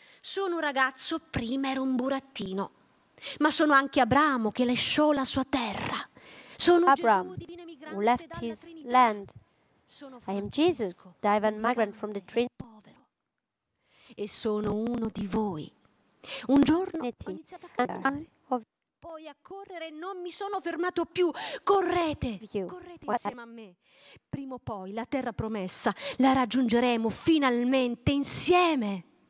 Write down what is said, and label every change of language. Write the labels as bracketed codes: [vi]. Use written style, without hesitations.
[it] Sono un ragazzo, prima ero un burattino, ma sono anche Abramo che lasciò la sua terra. Sono [en] Abram, who left his land. I am Jesus, divine migrant from the Trinity. [it] Povero. E sono uno di voi. Un giorno ho iniziato a cantare, poi a correre e non mi sono fermato più. Correte, correte insieme a me. Prima o poi la terra promessa la raggiungeremo finalmente insieme.